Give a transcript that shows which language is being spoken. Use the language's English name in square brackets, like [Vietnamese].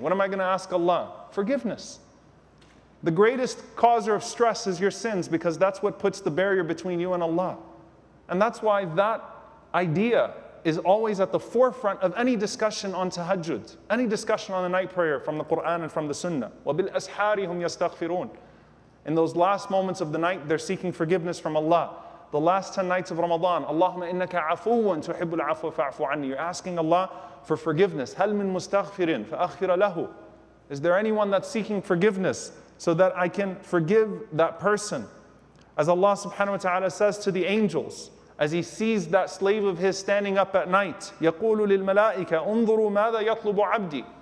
[English] What am I going to ask Allah? Forgiveness. The greatest causer of stress is your sins, because that's what puts the barrier between you and Allah. And that's why that idea is always at the forefront of any discussion on tahajjud, any discussion on the night prayer from the Quran and from the Sunnah. [Arabic] وَبِالْ أَسْحَارِ هُمْ يَسْتَغْفِرُونَ. [English] In those last moments of the night, they're seeking forgiveness from Allah. The last 10 nights of Ramadan, [Arabic] اللهم إنك عفوٌ تحب العفو فاعفو عني. [English] You're asking Allah for forgiveness. [Arabic] هَلْ مِن مُسْتَغْفِرٍ فَأَغْفِرَ لَهُ. [English] Is there anyone that's seeking forgiveness so that I can forgive that person? As Allah subhanahu wa ta'ala says to the angels, as he sees that slave of his standing up at night, [Arabic] يَقُولُ لِلْمَلَائِكَ أُنظُرُوا مَاذَا يَطْلُبُ عَبْدِي.